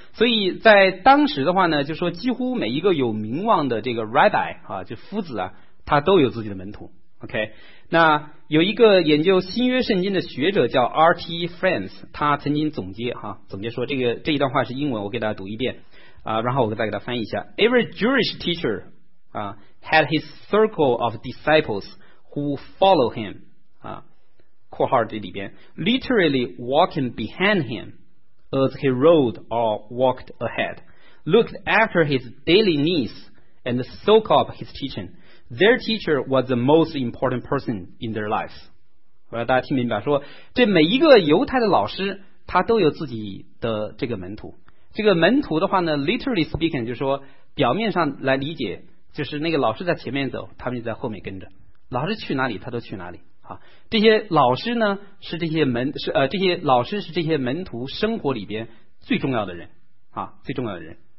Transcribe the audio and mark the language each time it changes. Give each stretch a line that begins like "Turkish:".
Chinese: 所以在当时的话呢，就说几乎每一个有名望的这个 rabbi 啊，就夫子啊，他都有自己的门徒。 OK， 那有一个研究新约圣经的学者叫 R.T. Friends， 他曾经总结哈、啊，总结说这一段话是英文，我给大家读一遍啊，然后我再给他翻译一下。
English: Every Jewish teacher 啊 had his circle of disciples who follow him 啊。
Chinese: 括号这里边
English: literally walking behind him as he rode or walked ahead, looked after his daily needs and soak up his teaching. Their teacher was the most important person in their lives.
Chinese: 我要大家听明白说，这每一个犹太的老师他都有自己的这个门徒，这个门徒的话呢
English: literally speaking
Chinese: 就是说表面上来理解，就是那个老师在前面走，他们就在后面跟着，老师去哪里他都去哪里啊。这些老师呢是这些门是这些老师是这些门徒生活里边最重要的人啊，最重要的人。